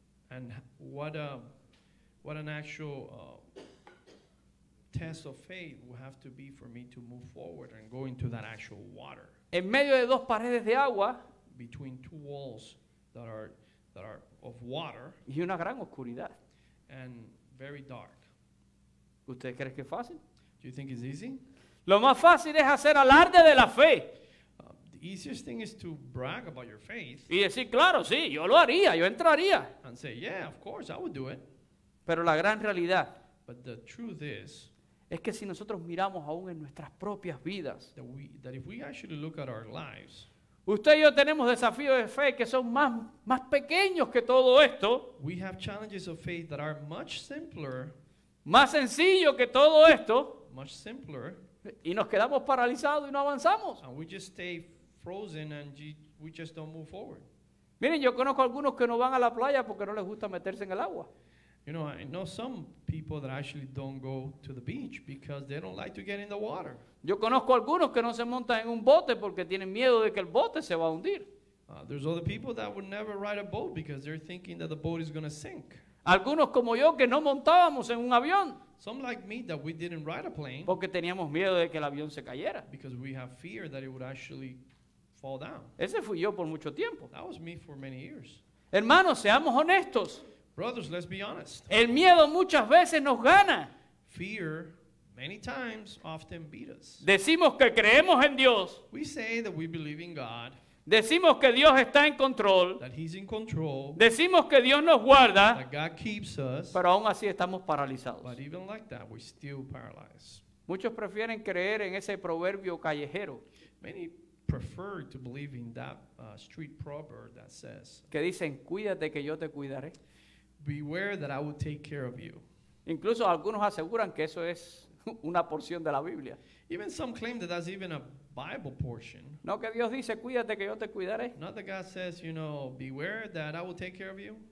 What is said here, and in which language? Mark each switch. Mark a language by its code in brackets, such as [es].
[en] And what an actual test of faith would have to be for me to move forward and go into that actual water. [es] En medio de dos paredes de agua. [en] Between two walls that are of water. [es] Y una gran oscuridad. [en] And very dark. [es] ¿Usted cree que es fácil? [en] Do you think it's easy? [es] Lo más fácil es hacer alarde de la fe. [en] The easiest thing is to brag about your faith. [es] Y decir, claro, sí, yo lo haría, yo entraría. [en] And say, yeah, of course, I would do it. [es] Pero la gran realidad. [en] But the truth is. [es] Es que si nosotros miramos aún en nuestras propias vidas. [en] That if we actually look at our lives. [es] Usted y yo tenemos desafíos de fe que son más pequeños que todo esto. [en] We have challenges of faith that are much simpler. [es] Más sencillo que todo esto. [en] Much simpler. [es] Y nos quedamos paralizados y no avanzamos. [en] And we just stay frozen and we just don't move forward. [es] Miren, yo conozco algunos que no van a la playa porque no les gusta meterse en el agua. [en] You know, I know some people that actually don't go to the beach because they don't like to get in the water. [es] Yo conozco algunos que no se montan en un bote porque tienen miedo de que el bote se va a hundir. [en] There's other people that would never ride a boat because they're thinking that the boat is going to sink. [es] Algunos como yo que no montábamos en un avión. [en] Some like me that we didn't ride a plane. [es] Porque teníamos miedo de que el avión se cayera. [en] Because we have fear that it would actually fall down. [es] Ese fui yo por mucho tiempo. [en] That was me for many years. [es] Hermanos, seamos honestos. [en] Brothers, let's be honest. [es] El miedo muchas veces nos gana. [en] Fear many times often beat us. [es] Decimos que creemos en Dios. [en] We say that we believe in God. [es] Decimos que Dios está en control. [en] That he's in control. [es] Decimos que Dios nos guarda. [en] That God keeps us. [es] Pero aún así estamos paralizados. [en] But even like that, we're still paralyzed. [es] Muchos prefieren creer en ese proverbio callejero. [en] Many prefer to believe in that street proverb that says. [es] Que dicen, cuídate que yo te cuidaré. [en] Beware that I will take care of you. [es] Incluso algunos aseguran que eso es una porción de la Biblia. [en] Even some claim that that's even a Bible portion. [es] No, que Dios dice, cuídate que yo te cuidaré. [en] Not that God says, you know, beware that I will take care of you.